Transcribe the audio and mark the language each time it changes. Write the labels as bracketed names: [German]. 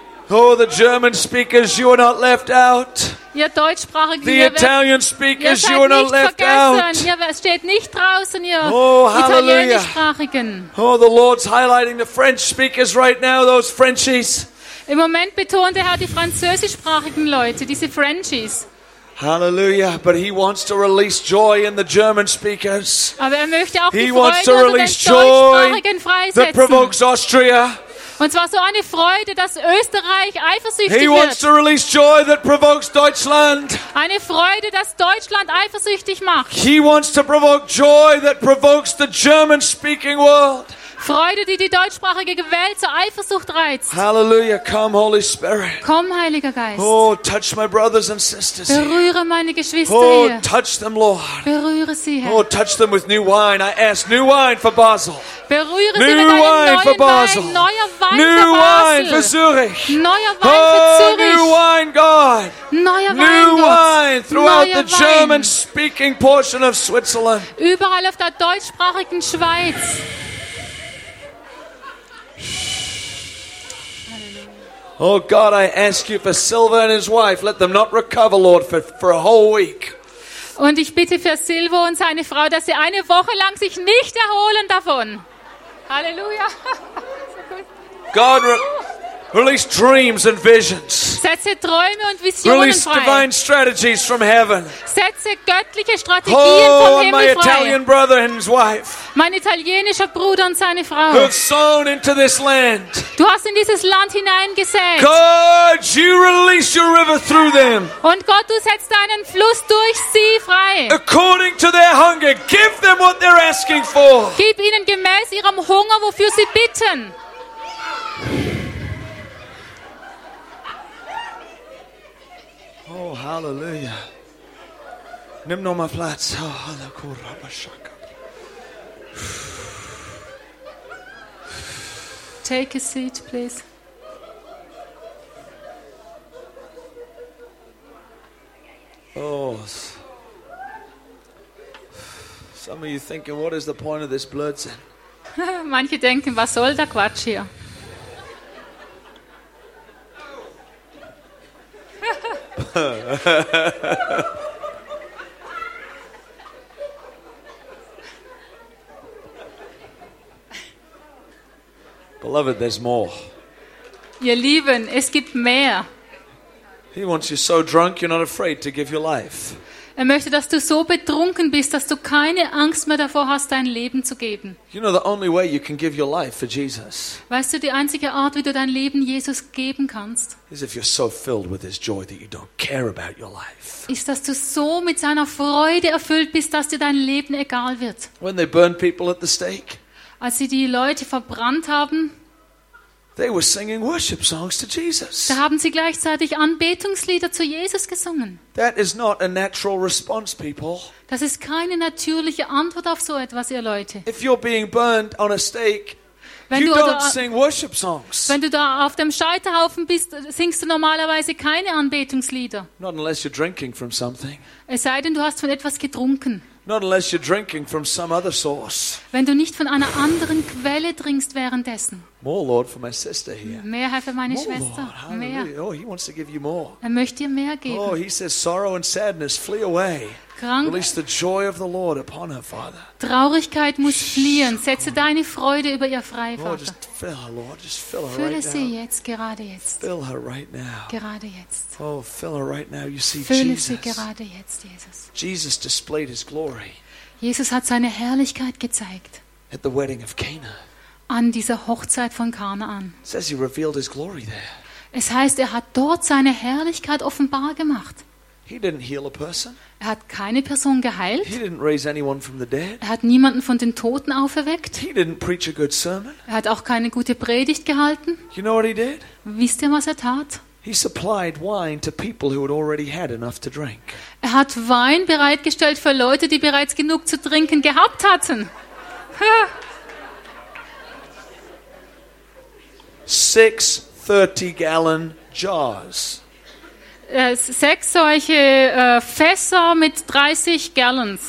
[English] Oh, the German speakers, you are not left out. [German] Ihr Deutschsprachigen, [English] the Italian speakers, you are not left out. [German] Ihr steht nicht draußen, ihr Italienischsprachigen. [English] Oh, the Lord's highlighting the French speakers right now, those Frenchies. [German] Im Moment betont der Herr die französischsprachigen Leute, diese Frenchies. [English] Hallelujah, but he wants to release joy in the German speakers. [German] Aber er möchte auch die Freude unter den Deutschsprachigen freisetzen. [English] That provokes Austria. [German] Und zwar so eine Freude, dass Österreich eifersüchtig wird. [English] He wants to release joy that provokes Deutschland. [German] Eine Freude, dass Deutschland eifersüchtig macht. [English] He wants to provoke joy that provokes the German speaking world. [German] Freude, die die deutschsprachige Welt zur Eifersucht reizt. [English] Hallelujah, come Holy Spirit. [German] Komm, Heiliger Geist. [English] Oh, touch my brothers and sisters. [German] Berühre meine Geschwister hier. [English] Oh, touch them, Lord. [German] Berühre sie, Herr. [English] Oh, touch them with new wine. I ask new wine for Basel. [German] Berühre sie mit einem neuen Wein. Neuer Wein für Basel. [English] New wine for Zürich. [German] Neuer Wein für Zürich. [English] Oh, new wine, God. [German] Neuer Wein, [English] new wine throughout the German-speaking portion of Switzerland. [German] Überall auf der deutschsprachigen Schweiz. [English] Oh God, I ask you for Silver and his wife. Let them not recover, Lord, for a whole week. [German] Und ich bitte für Silver und seine Frau, dass sie eine Woche lang sich nicht erholen davon. Halleluja. [English] God, release dreams and visions. [German] Setze Träume und Visionen [English] release [German] frei. [English] Release divine strategies from heaven. [German] Setze göttliche Strategien vom Himmel frei. [English] Oh, my Italian brother and his wife. [German] Mein italienischer Bruder und seine Frau. [English] Who have sown into this land. [German] Du hast in dieses Land hineingesät. [English] God, you release your river through them. [German] Und Gott, du setzt deinen Fluss durch sie frei. [English] According to their hunger, give them what they're asking for. [German] Gib ihnen gemäß ihrem Hunger, wofür sie bitten. Oh, hallelujah. Nimm noch mal Platz. [English] Oh, hallelujah. Take a seat, please. Oh. Some of you thinking, what is the point of this Blödsinn? [German] Manche denken, was soll der Quatsch hier? [English] Beloved, there's more. [German] Ihr Lieben, es gibt mehr. [English] He wants you so drunk you're not afraid to give your life. [German] Er möchte, dass du so betrunken bist, dass du keine Angst mehr davor hast, dein Leben zu geben. [English] You know the only way you can give your life for Jesus. [German] Weißt du, die einzige Art, wie du dein Leben Jesus geben kannst? [English] Is if you're so filled with his joy that you don't care about your life. [German] Ist, dass du so mit seiner Freude erfüllt bist, dass dir dein Leben egal wird. [English] When they burned people at the stake. [German] Als sie die Leute verbrannt haben. [English] They were singing worship songs to Jesus. [German] Da haben sie gleichzeitig Anbetungslieder zu Jesus gesungen. [English] That is not a natural response, people. [German] Das ist keine natürliche Antwort auf so etwas, ihr Leute. [English] If you're being burned on a stake, sing worship songs. [German] Wenn du da auf dem Scheiterhaufen bist, singst du normalerweise keine Anbetungslieder. [English] Not unless you're drinking from something. [German] Es sei denn, du hast von etwas getrunken. [English] Not unless you're drinking from some other source. [German] Wenn du nicht von einer anderen Quelle trinkst währenddessen. [English] More, Lord, for my sister here. [German] Mehr, Herr, für meine [English] more, [German] Schwester. [English] Lord, [German] mehr. [English] Oh, he wants to give you more. [German] Er möchte dir mehr geben. [English] Oh, he says, sorrow and sadness, flee away. Release the joy of the Lord upon her, Father. [German] Traurigkeit muss fliehen. Setze deine Freude über ihr frei, Vater. [English] Lord, just fill her, Lord. Just fill her [German] fülle [English] right now. [German] Fülle sie jetzt, gerade jetzt. [English] Fill her right now. [German] Gerade jetzt. [English] Oh, fill her right now. You see [German] fülle [English] Jesus. [German] Fülle sie gerade jetzt, Jesus. [English] Jesus displayed his glory. [German] Jesus hat seine Herrlichkeit gezeigt. [English] At the wedding of Cana. [German] An dieser Hochzeit von Kanaan. [English] It says he revealed his glory there. [German] Es heißt, er hat dort seine Herrlichkeit offenbar gemacht. [English] He didn't heal a person. [German] Er hat keine Person geheilt. [English] He didn't raise anyone from the dead. [German] Er hat niemanden von den Toten auferweckt. [English] He didn't preach a good sermon. [German] Er hat auch keine gute Predigt gehalten. [English] You know what he did? [German] Wisst ihr, was er tat? [English] He supplied wine to people who had already had enough to drink. [German] Er hat Wein bereitgestellt für Leute, die bereits genug zu trinken gehabt hatten. [English] Six 30-gallon jars. [German] Sechs solche Fässer mit 30 Gallons.